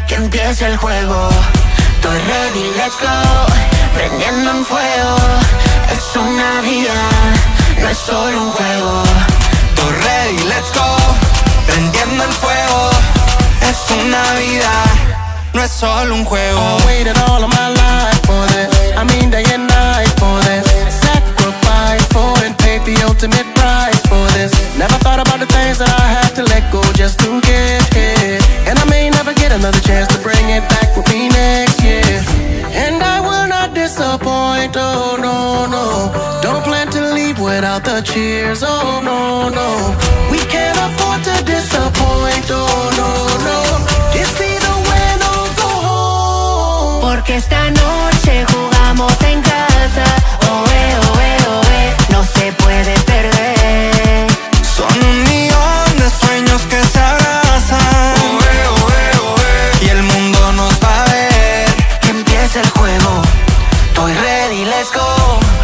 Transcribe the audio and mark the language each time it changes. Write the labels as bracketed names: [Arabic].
[Spanish] Que empiece el juego. Estoy [English] ready, let's go. [Spanish] Prendiendo en fuego. Es una vida, no es solo un juego. Estoy [English] ready, let's go. [Spanish] Prendiendo en fuego. Es una vida, no es solo un juego. [English] I waited all of my life for this. I mean day and night for this. Sacrifice for and paid the ultimate price for this. Never thought about the things that I had to let go just to get here. And I may never get another chance to bring it back with me next year. And I will not disappoint, oh no, no. Don't plan to leave without the cheers, oh no, no. We can't afford to disappoint, oh no, no. It's either win or go home. [Spanish] Porque esta noche jugamos en casa. Oh, eh, oh, eh, oh, eh. No se puede perder. Son un millón de sueños que se abrazan. Oh, eh, oh, eh, oh, eh. Y el mundo nos va a ver. Que empiece el juego. Estoy [English] ready, let's go.